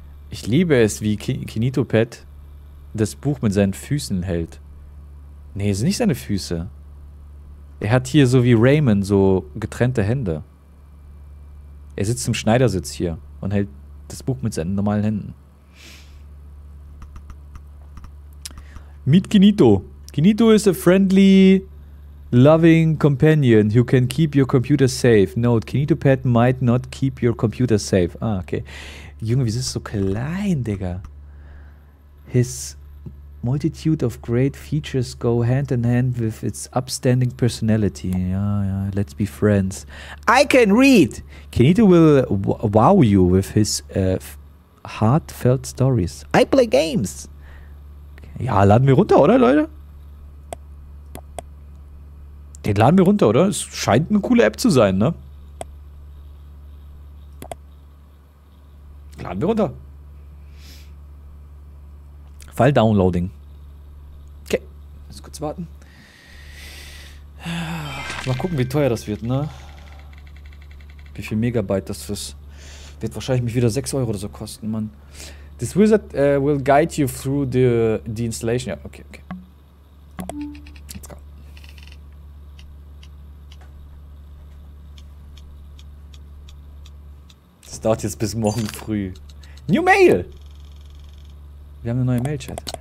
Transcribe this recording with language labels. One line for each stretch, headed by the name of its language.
German: Ich liebe es, wie KinitoPET das Buch mit seinen Füßen hält. Nee, es sind nicht seine Füße. Er hat hier so wie Raymond so getrennte Hände. Er sitzt im Schneidersitz hier und hält das Buch mit seinen normalen Händen.
English: Meet Kinito. Kinito is a friendly, loving companion who can keep your computer safe. Note, KinitoPET might not keep your computer safe.
German: Ah, okay. Junge, wie ist das so klein, Digga?
English: His multitude of great features go hand in hand with its upstanding personality. Yeah, yeah, let's be friends. I can read! Kinito will wow you with his heartfelt stories. I play games!
German: Ja, laden wir runter, oder, Leute? Den laden wir runter, oder? Es scheint eine coole App zu sein, ne? Laden wir runter.
English: File Downloading.
German: Okay, muss kurz warten. Mal gucken, wie teuer das wird, ne? Wie viel Megabyte das ist. Wird wahrscheinlich mich wieder 6 Euro oder so kosten, Mann.
English: This wizard will guide you through the installation.
German: Ja, okay, okay. Dauert jetzt bis morgen früh.
English: New Mail!
German: Wir haben eine neue Mail-Chat.